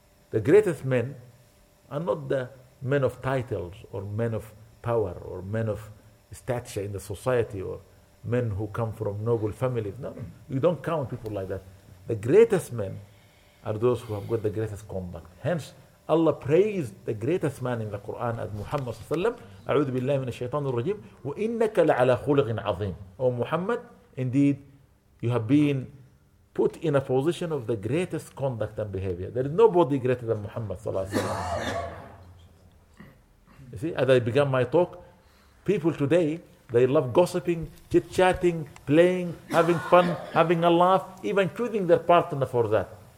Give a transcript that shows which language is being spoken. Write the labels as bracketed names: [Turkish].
[English] The greatest men are not the men of titles or men of power or men of stature in the society or men who come from noble families. No, you don't count people like that. The greatest men are those who have got the greatest conduct. Hence, Allah praised the greatest man in the Quran as Muhammad sallam. [Arabic] أعوذ بالله من الشيطان الرجيم وإنك لعلى خلق عظيم. [English] O Muhammad, indeed, you have been put in a position of the greatest conduct and behavior. There is nobody greater than Muhammad sallallahu alaihi wasallam. You see, as I began my talk, people today, they love gossiping, chit-chatting, playing, having fun, having a laugh, even choosing their partner for that.